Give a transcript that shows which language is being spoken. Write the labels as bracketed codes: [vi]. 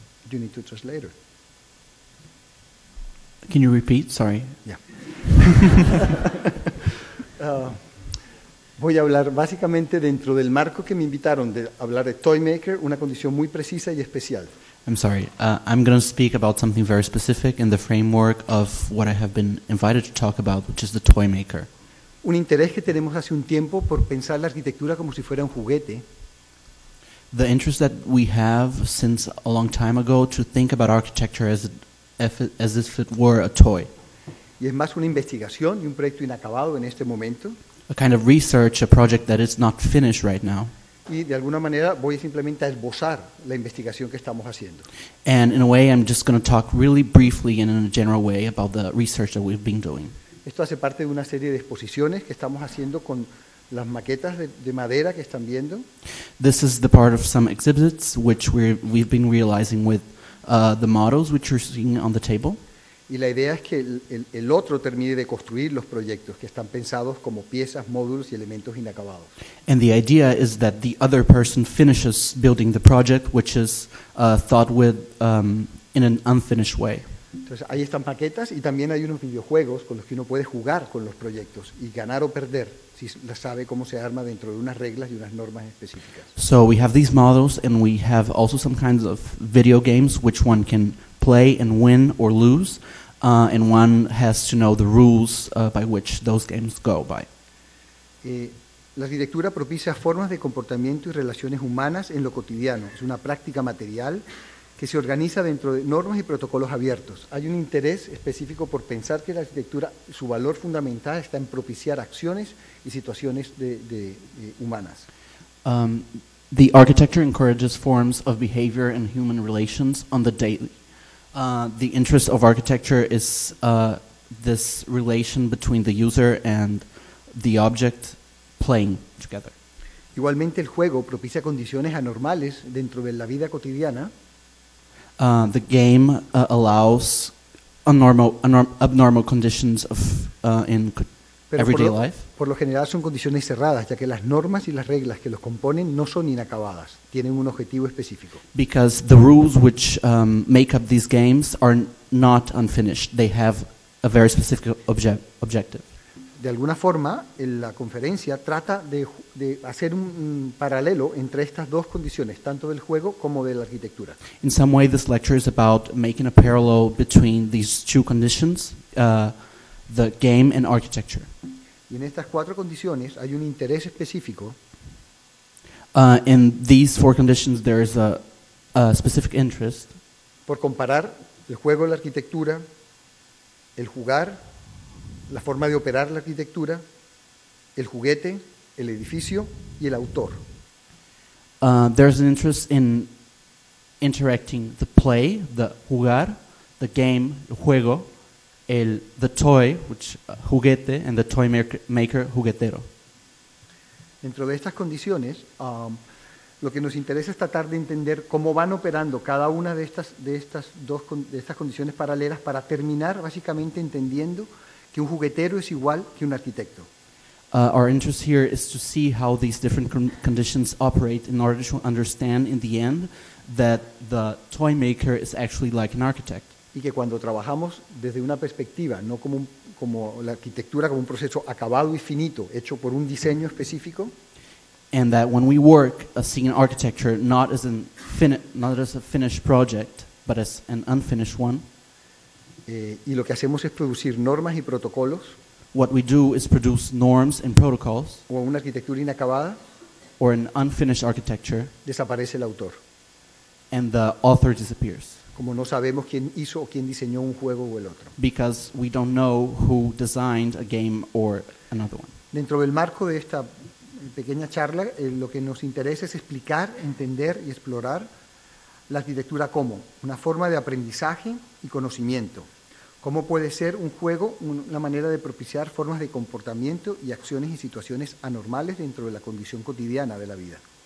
[en] You need to translate. Can you repeat? Sorry. Yeah. [es] voy a hablar básicamente dentro del marco que me invitaron de hablar de Toymaker, una condición muy precisa y especial. [en] I'm sorry. I'm going to speak about something very specific in the framework of what I have been invited to talk about, which is the toy maker. [es] Un interés que tenemos hace un tiempo por pensar la arquitectura como si fuera un juguete. [en] The interest that we have since a long time ago to think about architecture as if it were a toy. [es] Y es más una investigación y un proyecto inacabado en este momento. [en] A kind of research, a project that is not finished right now. [es] Y de alguna manera voy simplemente a esbozar la investigación que estamos haciendo. [en] And in a way I'm just going to talk really briefly and in a general way about the research that we've been doing. [es] Esto hace parte de una serie de exposiciones que estamos haciendo con las maquetas de madera que están viendo. [en] This is the part of some exhibits which we've been realizing with the models which you're seeing on the table. [es] Y la idea es que el otro termine de construir los proyectos que están pensados como piezas, módulos y elementos inacabados. [en] And the idea is that the other person finishes building the project, which is thought with in an unfinished way. [es] Entonces, ahí están maquetas y también hay unos videojuegos con los que uno puede jugar con los proyectos y ganar o perder si sabe cómo se arma dentro de unas reglas y unas normas específicas. [en] So we have these models and we have also some kinds of video games which one can play and win or lose, and one has to know the rules by which those games go by. [es] La arquitectura propicia formas de comportamiento y relaciones humanas en lo cotidiano. Es una práctica material que se organiza dentro de normas y protocolos abiertos. Hay un interés específico por pensar que la arquitectura, su valor fundamental está en propiciar acciones y situaciones de humanas. [en] The architecture encourages forms of behavior and human relations on the daily. The interest of architecture is this relation between the user and the object playing together. [es] Igualmente, el juego propicia condiciones anormales dentro de la vida cotidiana. [en] The game allows abnormal conditions of in everyday life. [es] Por lo general, son condiciones cerradas, ya que las normas y las reglas que los componen no son inacabadas. Tienen un objetivo específico. [en] Because the rules which make up these games are not unfinished. They have a very specific objective. [es] De alguna forma, en la conferencia trata de hacer un paralelo entre estas dos condiciones, tanto del juego como de la arquitectura. [en] In some way, this lecture is about making a parallel between these two conditions, the game and architecture. [es] Y en estas cuatro condiciones hay un interés específico. [en] In these four conditions there is a specific interest. [es] Por comparar el juego, la arquitectura, el jugar, la forma de operar la arquitectura, el juguete, el edificio y el autor. [en] There's an interest in interacting the play, the jugar, the game, [es] el juego, [en] the toy, which juguete, and the toy maker, juguetero. [es] Dentro de estas condiciones, lo que nos interesa es tratar de entender cómo van operando cada una de estas condiciones paralelas para terminar básicamente entendiendo que un juguetero es igual que un arquitecto. [en] Our interest here is to see how these different conditions operate in order to understand in the end that the toy maker is actually like an architect. [es] Y que cuando trabajamos desde una perspectiva, no como la arquitectura, como un proceso acabado y finito, hecho por un diseño específico. [en] And that when we work seeing an architecture not as a finished project, but as an unfinished one. [es] Y lo que hacemos es producir normas y protocolos. [en] What we do is produce norms and protocols. [es] O una arquitectura inacabada. [en] Or an unfinished architecture. [es] Desaparece el autor. [en] And the author disappears. [es] Como no sabemos quién hizo o quién diseñó un juego o el otro. [en] Because we don't know who designed a game or another one. [es] Dentro del marco de esta pequeña charla, lo que nos interesa es explicar, entender y explorar la arquitectura como una forma de aprendizaje y conocimiento. ¿Cómo puede ser un juego una manera de propiciar formas de comportamiento y acciones y situaciones anormales dentro de la condición cotidiana de la vida?